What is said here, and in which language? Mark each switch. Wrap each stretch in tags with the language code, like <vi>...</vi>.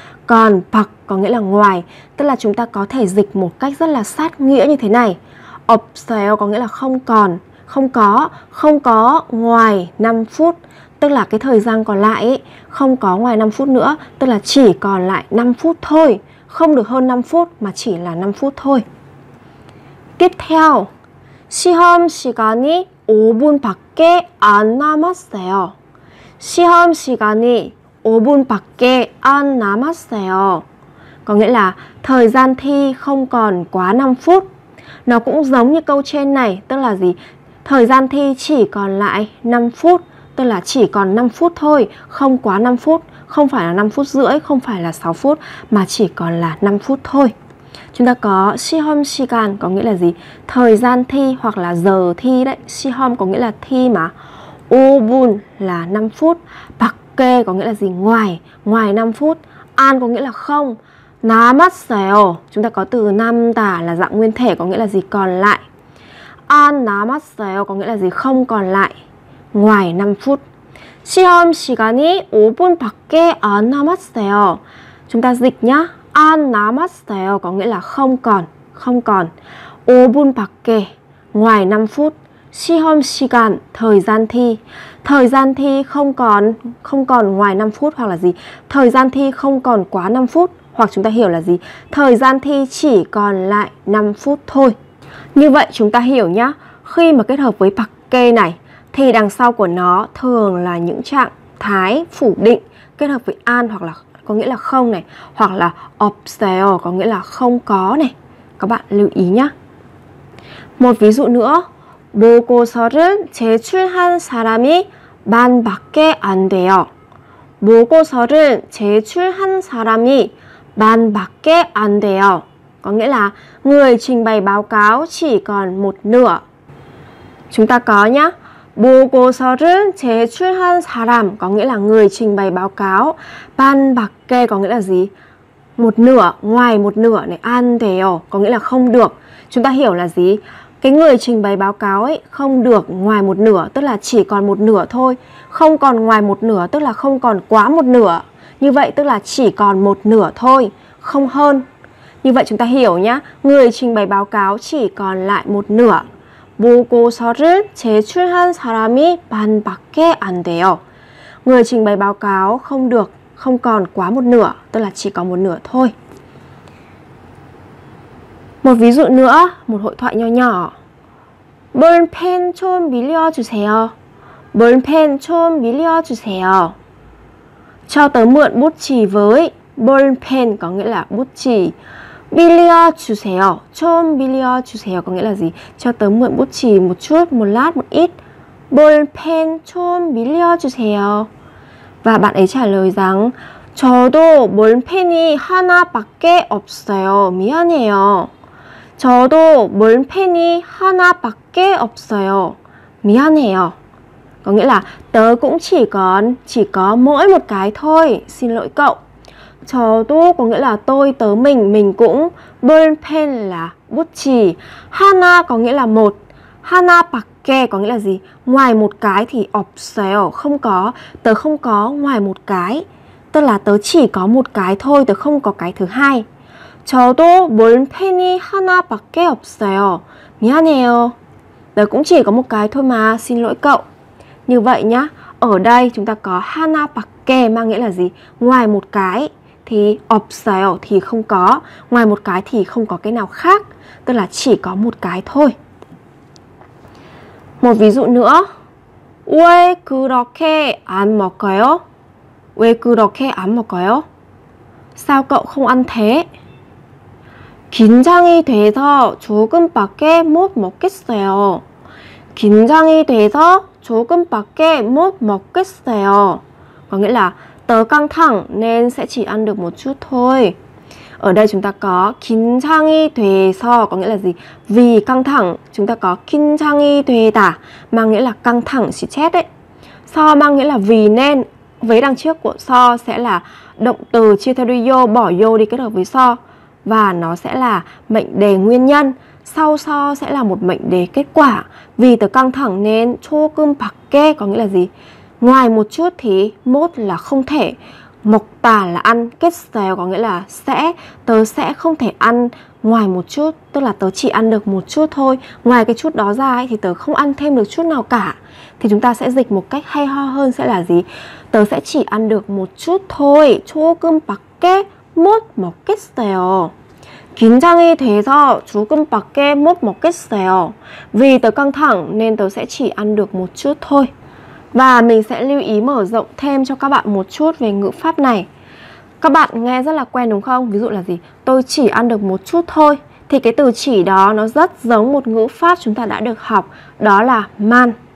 <vi>Còn 밖 có nghĩa là ngoài. Tức là chúng ta có thể dịch một cách rất là sát nghĩa như thế này. 없어요 có nghĩa là không có ngoài 5 phút. Tức là cái thời gian còn lại ấy, không có ngoài 5 phút nữa. Tức là chỉ còn lại 5 phút thôi. Không được hơn 5 phút mà chỉ là 5 phút thôi. Tiếp theo,</vi> <ko>시험 시간이 5분밖에 안 남았어요. 시험 시간이 5분밖에 안 남았어요.</ko> <vi>Có nghĩa là thời gian thi không còn quá 5 phút. Nó cũng giống như câu trên này, tức là gì? Thời gian thi chỉ còn lại 5 phút, tức là chỉ còn 5 phút thôi, không quá 5 phút, không phải là 5 phút rưỡi, không phải là 6 phút, mà chỉ còn là 5 phút thôi. Chúng ta có</vi> <ko>시험 시간</ko> <vi>có nghĩa là gì? Thời gian thi hoặc là giờ thi đấy. 시험 có nghĩa là thi mà. 5분 là 5 phút. 밖에 có nghĩa là gì? Ngoài 5 phút. 안 có nghĩa là không. 남았어요. Chúng ta có từ 남다 là dạng nguyên thể có nghĩa là gì? Còn lại.</vi> <ko>안 남았어요</ko> <vi>có nghĩa là gì? Không còn lại. Ngoài 5 phút.</vi> <ko>시험 시간이 5분밖에 안 남았어요.</ko> <vi>Chúng ta dịch nhá.</vi> <ko>안 남았어요</ko> <vi>có nghĩa là không còn. 5분밖에 ngoài 5 phút.</vi> <ko>시험 시간,</ko> <vi>thời gian thi. Thời gian thi không còn ngoài 5 phút hoặc là gì? Thời gian thi không còn quá 5 phút, hoặc chúng ta hiểu là gì? Thời gian thi chỉ còn lại 5 phút thôi. Như vậy chúng ta hiểu nhá, khi mà kết hợp với pakke này thì đằng sau của nó thường là những trạng thái phủ định kết hợp với an, hoặc là có nghĩa là không này, hoặc là없어요 có nghĩa là không có này. Các bạn lưu ý nhá. Một ví dụ nữa.</vi> <ko>보고서를 제출한 사람이 반밖에 안 돼요. 보고서를 제출한 사람이 반밖에 안 돼요.</ko> <vi>Có nghĩa là người trình bày báo cáo chỉ còn một nửa. Chúng ta có nhá.</vi> <ko>보고서를 제출한 사람</ko> <vi>có nghĩa là người trình bày báo cáo. 반밖에 có nghĩa là gì? Một nửa, ngoài một nửa này.</vi> <ko>안 돼요</ko> <vi>có nghĩa là không được. Chúng ta hiểu là gì? Cái người trình bày báo cáo ấy không được ngoài một nửa, tức là chỉ còn một nửa thôi. Không còn ngoài một nửa tức là không còn quá một nửa. Như vậy tức là chỉ còn một nửa thôi, không hơn. Như vậy chúng ta hiểu nhá, người trình bày báo cáo chỉ còn lại một nửa.</vi> <ko>보고서를 제출한 사람이 반밖에 안 돼요.</ko> <vi>Người trình bày báo cáo không được, không còn quá một nửa, tức là chỉ còn một nửa thôi. Một ví dụ nữa, một hội thoại nhỏ nhỏ.</vi> <ko>Bơn pen chôn bí lio chú xeo. Bơn pen chôn bí lio chú xeo.</ko> <vi>Cho tớ mượn bút chì với. Bơn pen có nghĩa là bút chì. Bí lio chú xeo. Chôn bí lio chú xeo có nghĩa là gì? Cho tớ mượn bút chì một chút, một lát, một ít.</vi> <ko>Bơn pen chôn bí lio chú xeo.</ko> <vi>Và bạn ấy trả lời rằng</vi> <ko>저도 bơn pen이 하나밖에 없어요. 미안해요. 저도 볼펜이 하나밖에 없어요. 미안해요.</ko> <vi>Có nghĩa là tớ cũng chỉ có mỗi một cái thôi. Xin lỗi cậu. 저도 có nghĩa là tôi, tớ, mình cũng. 볼펜 là bút chì. 하나 có nghĩa là một. 하나밖에 có nghĩa là gì? Ngoài một cái thì 없어요. Không có. Tớ không có ngoài một cái. Tức là tớ chỉ có một cái thôi, tớ không có cái thứ hai.</vi> <ko>저도 볼펜이 하나밖에 없어요. 미안해요.</ko> <vi>Tớ cũng chỉ có một cái thôi mà, xin lỗi cậu. Như vậy nhá, ở đây chúng ta có 하나밖에 mang nghĩa là gì? Ngoài một cái thì</vi> <ko>없어요</ko> <vi>thì không có, ngoài một cái thì không có cái nào khác, tức là chỉ có một cái thôi. Một ví dụ nữa.</vi> <ko>왜 그렇게 안 먹어요? 왜 그렇게 안 먹어요?</ko> <vi>Sao cậu không ăn thế?</vi> <ko>긴장이 돼서 조금밖에 못 먹겠어요. 긴장이 돼서 조금밖에 못 먹겠어요.</ko> <vi>Có nghĩa là tớ căng thẳng nên sẽ chỉ ăn được một chút thôi. Ở đây chúng ta có</vi> <ko>긴장이 돼서</ko> <vi>có nghĩa là gì? Vì căng thẳng chúng ta có</vi> <ko>긴장이 되다</ko> <vi>mang nghĩa là căng thẳng, sẽ chết đấy. 서 mang nghĩa là vì nên. Vế đằng trước của 서 sẽ là động từ chia theo đuôi 요, bỏ 요 đi kết hợp với 서. Và nó sẽ là mệnh đề nguyên nhân. Sau so sẽ là một mệnh đề kết quả. Vì tớ căng thẳng nên 조금밖에 có nghĩa là gì? Ngoài một chút thì</vi> <ko>못 là</ko> <vi>không thể.</vi> <ko>먹다 là</ko> <vi>ăn. 겠어요 có nghĩa là sẽ. Tớ sẽ không thể ăn ngoài một chút. Tức là tớ chỉ ăn được một chút thôi. Ngoài cái chút đó ra ấy, thì tớ không ăn thêm được chút nào cả. Thì chúng ta sẽ dịch một cách hay ho hơn sẽ là gì? Tớ sẽ chỉ ăn được một chút thôi.</vi> <ko>조금밖에 못 먹겠어요. 긴장이 돼서 조금밖에 못 먹겠어요.</ko> <vi>Vì tớ căng thẳng nên tớ sẽ chỉ ăn được một chút thôi. Và mình sẽ lưu ý mở rộng thêm cho các bạn một chút về ngữ pháp này. Các bạn nghe rất là quen đúng không? Ví dụ là gì? Tôi chỉ ăn được một chút thôi. Thì cái từ chỉ đó nó rất giống một ngữ pháp chúng ta đã được học, đó là man.</vi>